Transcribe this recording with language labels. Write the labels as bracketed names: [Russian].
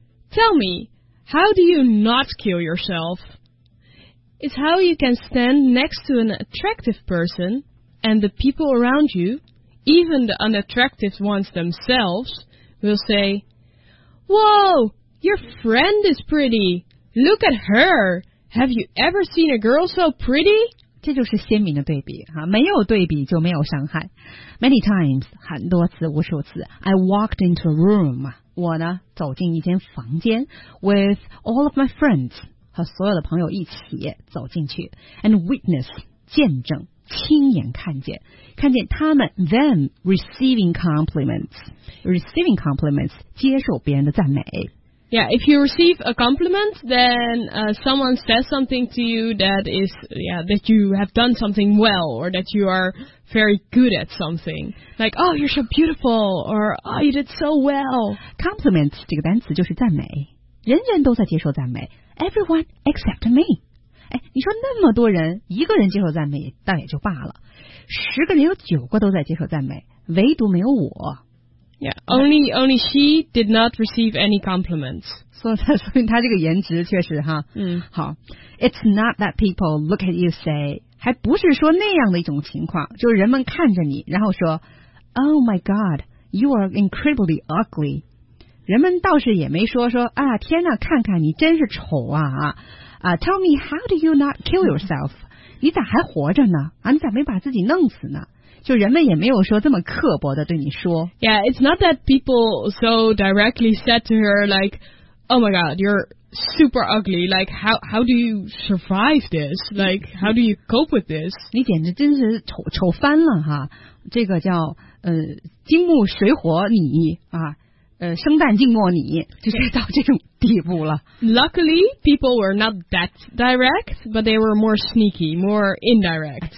[English] Tell me,How do you not kill yourself? It's how you can stand next to an attractive person and the people around you, even the unattractive ones themselves, will say, Whoa, your friend is pretty. Look at her. Have you ever seen a girl so pretty? [Chinese] 这就是鲜明的对比，没有对比就没有伤害。 [English] Many times, [Chinese] 很多次，无数次 [English] I walked into a room. [Chinese] 我呢走进一间房间 [English] with all of my friends [Chinese] 和所有的朋友一起走进去 [English] and witness [Chinese] 见证亲眼看见他们 [English] them receiving compliments [Chinese] 接受别人的赞美 [English] Yeah, if you receive a compliment then someone says something to you that is yeah, that you have done something well or that you areVery good at something, like oh you're so beautiful, or oh you did so well. [Chinese] Compliment 这个单词就是赞美，人人都在接受赞美 ， [English] everyone except me. [Chinese] 哎，你说那么多人，一个人接受赞美倒也就罢了，十个人有九个都在接受赞美，唯独没有我。 [English] Yeah, only she did not receive any compliments. [Chinese] 所以她这个颜值确实哈，好。 [English] It's not that people look at you say. [Chinese] 还不是说那样的一种情况，就是人们看着你，然后说 ， [English] Oh my God, you are incredibly ugly。 [Chinese] 人们倒是也没说啊，天哪，看看你真是丑啊啊啊 ！ [English] Tell me, how do you not kill yourself？ [Chinese] 你咋还活着呢？啊，你咋没把自己弄死呢？就人们也没有说这么刻薄的对你说。 [English] Yeah, it's not that people so directly said to her like, Oh my God, you're. Super ugly. Like how do you survive this? Like how do you cope with this? [Chinese] 你简直真是丑翻了哈！这个叫金木水火你啊，生旦净末你，就是到这种地步了。 [English] Luckily, people were not that direct, but they were more sneaky, more indirect.